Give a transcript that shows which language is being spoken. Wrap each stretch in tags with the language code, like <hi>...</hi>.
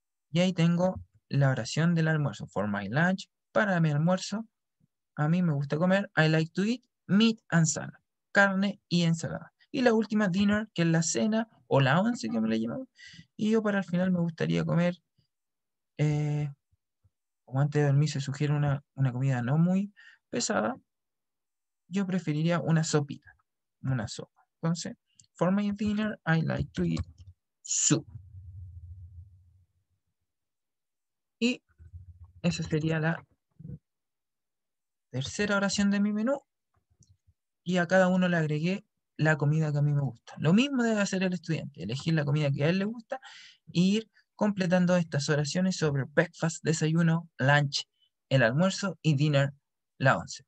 <es>Y ahí tengo la oración del almuerzo.</es> <en>For my lunch,</en> <es>para mi almuerzo, a mí me gusta comer.</es> <en>I like to eat meat and salad.</en> <es>Carne y ensalada. Y la última, dinner, que es la cena o la once, que me le llaman. Y yo para el final me gustaría comer. Como antes de dormir se sugiere una comida no muy pesada, yo preferiría una sopita, una sopa. Entonces,</es> <en>for my dinner, I like to eat soup.</en> <es>Y esa sería la tercera oración de mi menú. Y a cada uno le agregué la comida que a mí me gusta. Lo mismo debe hacer el estudiante, elegir la comida que a él le gusta e ir completando estas oraciones sobre breakfast, desayuno, lunch, el almuerzo y dinner, la once.</es>